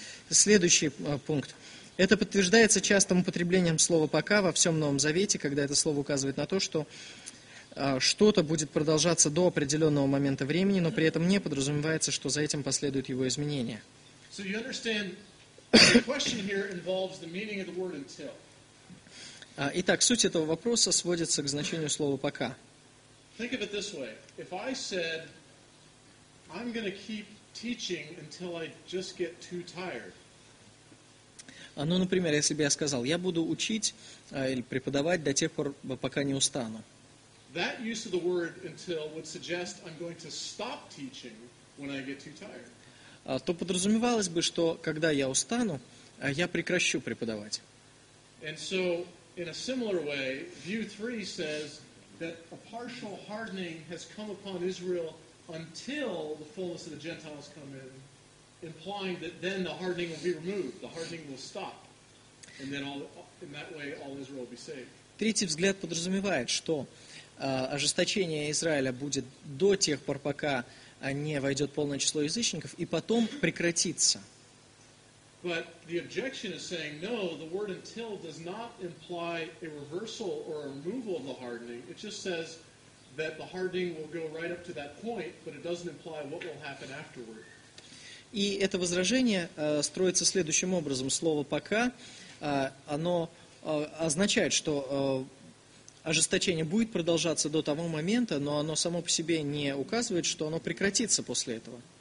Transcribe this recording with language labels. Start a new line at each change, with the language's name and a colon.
Russian: Следующий пункт. Это подтверждается частым употреблением слова «пока» во всем Новом Завете, когда это слово указывает на то, что что-то будет продолжаться до определенного момента времени, но при этом не подразумевается, что за этим последует его изменение.
English: So you understand, the question here involves the meaning of the word until.
Russian: Итак, суть этого вопроса сводится к значению слова «пока».
English: Think of it this way. If I said, I'm going to keep teaching until I just get too tired.
Russian: Ну, например, если бы я сказал, я буду учить или преподавать до тех пор, пока не устану.
English: That use of the word until would suggest I'm going to stop teaching when I get too tired.
Russian: То подразумевалось бы, что когда я устану, я прекращу преподавать.
English: And so, in a similar way, view 3 says that a partial hardening has come upon Israel until the fullness of the Gentiles come in. Implying that then the hardening will be removed, the hardening will stop, and then all in that way all Israel will be saved.
Russian: Третий взгляд подразумевает, что ожесточение Израиля будет до тех пор, пока не войдет полное число язычников, и потом прекратится.
English: But the objection is saying no. The word until does not imply a reversal or a removal of the hardening. It just says that the hardening will go right up to that point, but it doesn't imply what will happen afterward.
Russian: И это возражение строится следующим образом. Слово «пока», оно означает, что ожесточение будет продолжаться до того момента, но оно само по себе не указывает, что оно прекратится после этого.